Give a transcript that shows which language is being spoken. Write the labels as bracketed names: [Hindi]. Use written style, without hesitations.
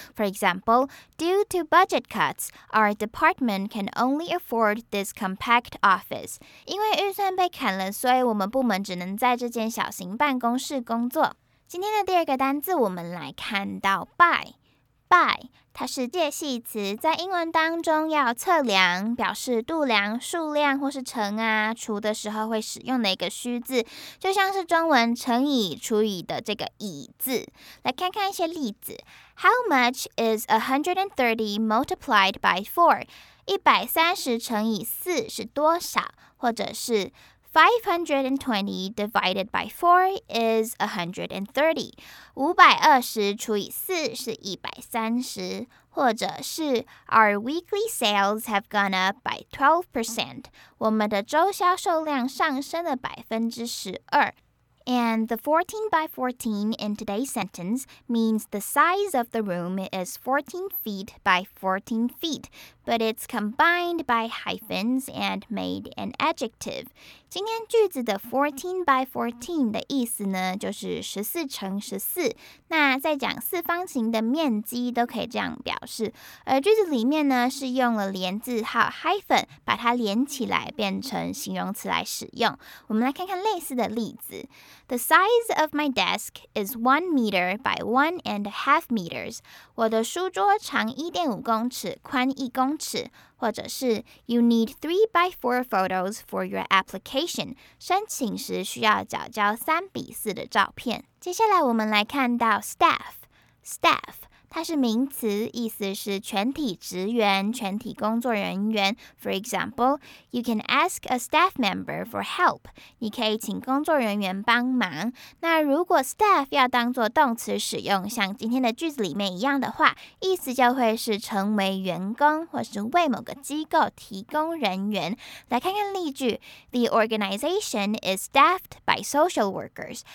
[English] For example, due to budget cuts, our department can only afford this compact office. [Chinese] 因为预算被砍了，所以我们部门只能在这间小型办公室工作。今天的第二个单字，我们来看到 by。By 它是介系词，在英文当中要测量，表示度量、数量或是乘啊、除的时候会使用的一个虚字，就像是中文乘以、除以的这个以字。来看看一些例子 [English] ，How much is 130 multiplied by 4？ [Chinese] 130乘以4是多少？或者是？ [English] 520 divided by 4 is 130. [Chinese] 520除以4是130，或者是 [English] Our weekly sales have gone up by 12%. [Chinese] 我们的周销售量上升了12%。 [English] And the 14 by 14 in today's sentence means the size of the room is 14 feet by 14 feet, but it's combined by hyphens and made an adjective. [Chinese] 今天句子的 14 by 14 的意思呢，就是14乘14。那在讲四方形的面积都可以这样表示。而句子里面呢，是用了连字号 hyphen 把它连起来变成形容词来使用。我们来看看类似的例子。 [English] The size of my desk is 1 meter by 1.5 meters. [Chinese] 我的书桌长 1.5 公尺，宽1公尺。或者是 [English] You need 3x4 photos for your application. [Chinese] 申请时需要缴交3x4的照片。接下来我们来看到 staff。Staff 它是名词，意思是全体职员、全体工作人员。 [English] For example, you can ask a staff member for help. [Chinese] 你可以请工作人员帮忙。那如果 staff 要当作动词使用，像今天的句子里面一样的话，意思就会是成为员工，或是为某个机构提供人员。来看看例句 [English] ：The organization is staffed by social workers.